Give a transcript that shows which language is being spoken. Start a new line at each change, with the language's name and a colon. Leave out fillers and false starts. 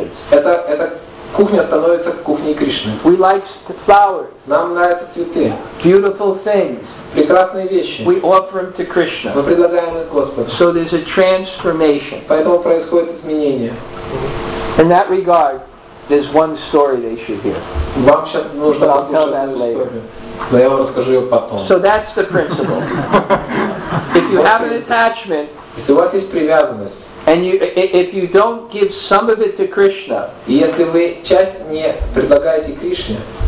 Russian: Это кухня становится кухней Кришны.
English: We like the flowers.
Russian: Нам нравятся цветы.
English: Beautiful things.
Russian: Прекрасные вещи.
English: We offer them to Krishna.
Russian: Мы предлагаем их Господу.
English: So there's a transformation.
Russian: Поэтому происходит изменение.
English: In that regard, there's one story they should hear.
Russian: Вам сейчас нужно послушать эту историю. Но я вам расскажу ее потом.
English: So that's the principle. If you have an attachment,
Russian: если у вас есть привязанность,
English: and you, if you don't give some of it to Krishna,
Russian: если вы часть не предлагаете Кришне,